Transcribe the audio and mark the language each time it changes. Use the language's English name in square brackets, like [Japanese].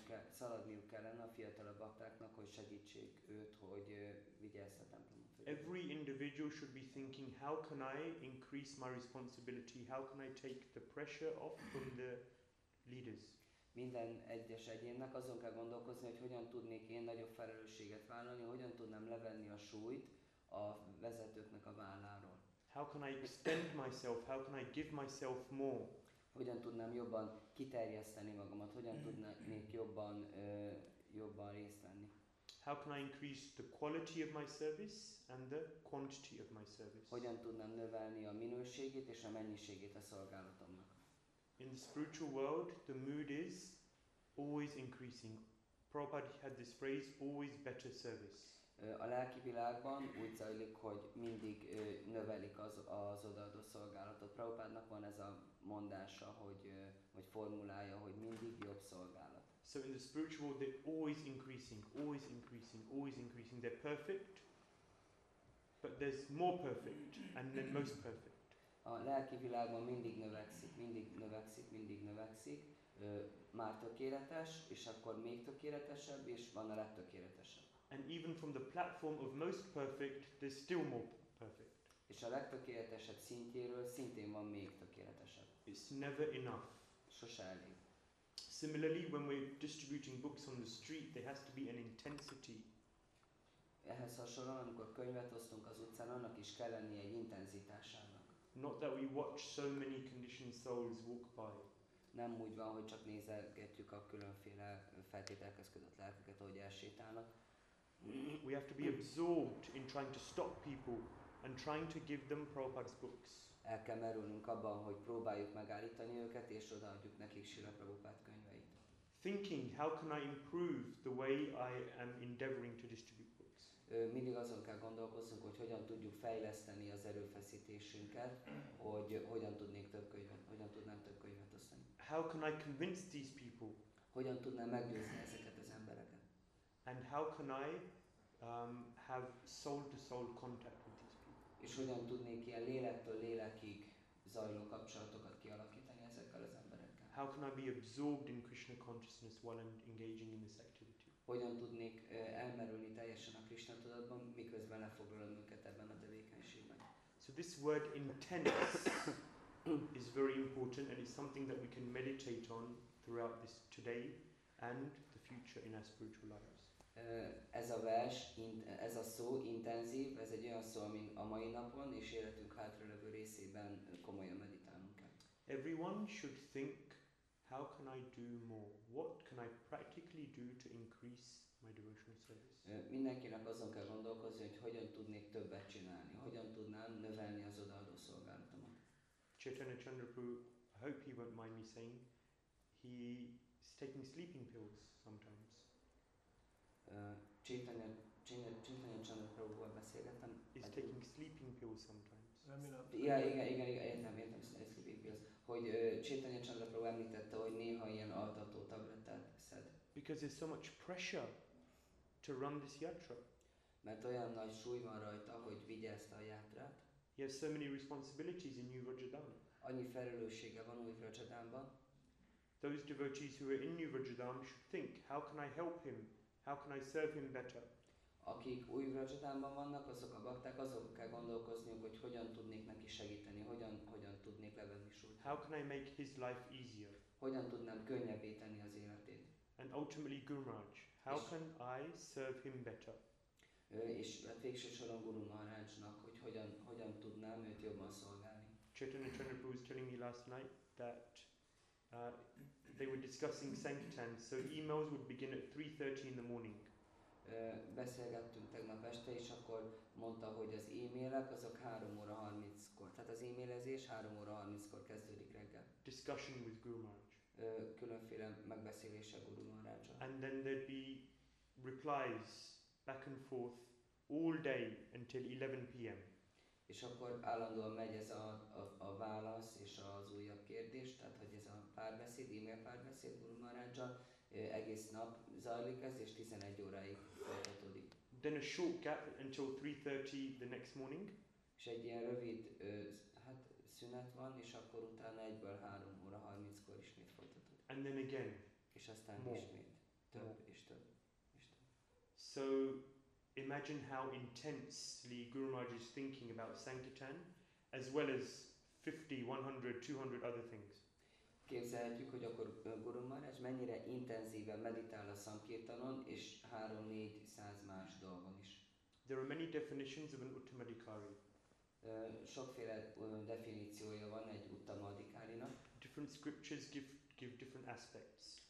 [Hungarian] Szaladniuk kellene a fiatalabb baktáknak, hogy segítsék őt, hogy vigye ezt a templomot. [English] Every individual should be thinking, how can I increase my responsibility? How can I take the pressure off from the leaders? [Hungarian] Minden egyes egyénnek azon kell gondolkozni, hogy hogyan tudnék én nagyobb felelősséget vállalni, hogyan tudnám levenni a súlyt a vezetőknek a válláról. [English] How can I extend myself? How can I give myself more? [Hungarian] Hogyan tudnám jobban kiterjeszteni magamat? Hogyan tudnék jobban részt venni? [English] How can I increase the quality of my service and the quantity of my service? [Hungarian] Hogyan tudnám növelni a minőségét és a mennyiségét a szolgálatomnak? [English] In the spiritual world, the mood is always increasing. Prabhupada had this phrase, always better service. [Hungarian] A lelki világban úgy zajlik, hogy mindig növelik az odaadó szolgálatot. Prabhupádnak van ez a mondása, hogy formulája, hogy mindig jobb szolgálat. [English] So in the spiritual world they're always increasing, always increasing, always increasing. They're perfect, but there's more perfect and then most perfect. [Hungarian] A lelki világban mindig növekszik, mindig növekszik, mindig növekszik. Már tökéletes, és akkor még tökéletesebb, és van a legtökéletesebb. [English] And even from the platform of most perfect, there's still more perfect. [Hungarian] És a legtökéletesebb szintjéről szintén van még tökéletesebb. [English] It's never enough. [Hungarian] Sose elég. [English] Similarly, when we're distributing books on the street, there has to be an intensity. [Hungarian] Ehhez hasonlóan, amikor könyvet osztunk az utcán, annak is kell lenni egy intenzitásának. [English] Not that we watch so many conditioned souls walk by. [Hungarian] Nem úgy van, hogy csak nézegetjük a különféle feltételkezkedett lelkeket, ahogy elsétálnak. [English] We have to be absorbed in trying to stop people and trying to give them Prabhupada's books. [Hungarian] El kell merülnünk abban, hogy próbáljuk megállítani őket és odaadjuk nekik Srila Prabhupada könyveit. [English] Thinking, how can I improve the way I am endeavoring to distribute books? [Hungarian] Mindig azon kell gondolkozzunk, hogy hogyan tudjuk fejleszteni az erőfeszítésünket, hogy hogyan tudnám több könyvet osztani. [English] How can I convince these people? [Hungarian] Hogyan tudnám meggyőzni ezeket az embereket? [English] And how can I have soul-to-soul contact with these people? [Hungarian] És hogyan tudnék ilyen lélektől lélekig zajló kapcsolatokat kialakítani ezekkel az emberekkel? [English] How can I be absorbed in Krishna consciousness while I'm engaging in this activity? [Hungarian] Hogyan tudnék elmerülni teljesen a Krishna tudatban, miközben lefoglalom őket ebben a tevékenységben? [English] So this word intense is very important and it's something that we can meditate on throughout this today and the future in our spiritual lives. [Hungarian] Ez a vers, ez a szó intenzív, ez egy olyan szó, amin a mai napon és életünk hátralevő részében komolyan meditálunk kell. [English] Everyone should think, how can I do more? What can I practically do to increase my devotional service? [Hungarian] Mindenkinek azon kell gondolkozni, hogy hogyan tudnék többet csinálni, hogyan tudnám növelni az odaadó szolgálatomat. [English] Chaitanya Chandrapur, I hope he won't mind me saying, he is taking sleeping pills sometimes. [Hungarian] Chaitanya Chandrapur-ról beszélgettem. [English] Is taking sleeping pills sometimes. [Hungarian] Igen, értem, [English] sleeping pills. [Hungarian] Hogy Chaitanya Chandrapur említette, hogy néha ilyen altató tablettát szed. [English] Because there's so much pressure to run this yatra. [Hungarian] Mert olyan nagy súly van rajta, hogy vigye ezt a yatrát. [English] He has so many responsibilities in New Vrajadhana. [Hungarian] Annyi felelőssége van Új Vrajadhanban. [English] Those devotees who are in New Vrajadhana should think, how can I help him? How can I serve him better? [Hungarian] Akik Új Vrajadhanban vannak, azok a bakták, azok kell gondolkozniuk, hogy hogyan tudnék neki segíteni, hogyan tudnék levenni súlyt. [English] How can I make his life easier? [Hungarian] Hogyan tudnám könnyebbé tenni az életét? [English] And ultimately Guru Maharaj, how can I serve him better? [Hungarian] És végső soron Guru Maharajnak, hogy hogyan tudnám őt jobban szolgálni. [English] Chaitanya Chandrapur was telling me last night that they were discussing sankirtan, so emails would begin at 3:30 in the morning. [Hungarian] Beszélgettünk tegnap este, és akkor mondta, hogy az e-mailek azok 3:30-kor. Tehát az e-mailezés 3:30-kor kezdődik reggel. [English] Discussion with Guru Maharaj. [Hungarian] Különféle megbeszélése Guru Maharajra. [English] And then there'd be replies back and forth all day until 11 p.m. [Hungarian] És akkor állandóan megy ez a válasz és az újabb kérdés, tehát hogy ez a párbeszéd, e-mail párbeszéd Guru Maharajra, egész nap zajlik ez, és 11 óráig folytatódik. [English] Then a short gap until 3:30 the next morning. [Hungarian] És egy ilyen rövid szünet van, és akkor utána egyből 3:30-kor ismét folytatódik. [English] And then again. [Hungarian] És aztán [English] more. [Hungarian] Ismét több és több. [English] So imagine how intensely Guru Maharaj is thinking about sankirtan as well as 50, 100, 200 other things. [Hungarian] Képzeljük, hogy akkor Guru Maharaj mennyire intenzíven meditál a sankirtanon és 3-400 más dolgon is. [English] There are many definitions of an uttamadhikari. [Hungarian] Sokféle definíciója van egy uttamadhikárinak. [English] Different scriptures give different aspects.